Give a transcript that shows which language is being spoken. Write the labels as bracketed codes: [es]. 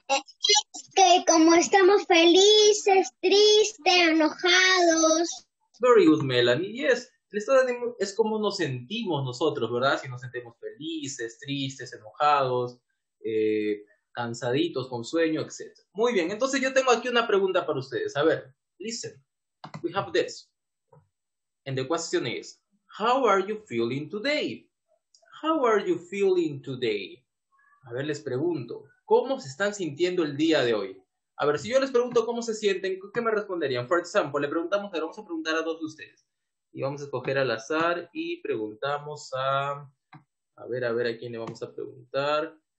[es] Es que como estamos felices, tristes, enojados. [en] Very good, Melanie. [es] Y es, el estado de ánimo es como nos sentimos nosotros, ¿verdad? Si nos sentimos felices, tristes, enojados, cansaditos, con sueño, etc. Muy bien, entonces yo tengo aquí una pregunta para ustedes. A ver, [en] listen. We have this. And the question is, how are you feeling today? How are you feeling today? [es] A ver, les pregunto, ¿cómo se están sintiendo el día de hoy? A ver, si yo les pregunto cómo se sienten, ¿qué me responderían? [en] For example, [es] le preguntamos, pero vamos a preguntar a dos de ustedes. Y vamos a escoger al azar y preguntamos a ver a quién le vamos a preguntar.